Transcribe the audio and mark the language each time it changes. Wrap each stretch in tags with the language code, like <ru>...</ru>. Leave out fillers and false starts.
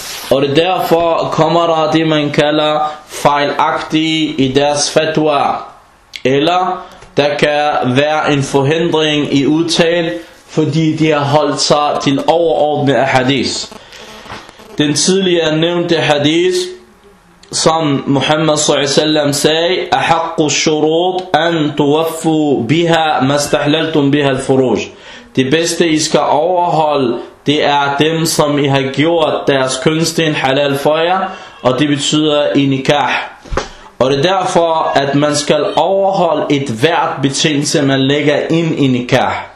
<da>Og det er derfor, kommer der det, man kalder fejlagtige i deres fatwa. Eller der kan være en forhindring i udtal, fordi de har holdt sig til overordnet af hadis. Den tidligere nævnte hadis, som Muhammad s.a.w. sagde,</da> <ar>أحق الشروط أن توفوا بها ما استحللتم بها الفروج.</ar> <da>Det bedste I skal overholde, det er dem, som I har gjort deres kønsten halal for jer, og det betyder i nikah. Og det er derfor, at man skal overholde et hvert betingelse, man lægger ind i nikah.</da>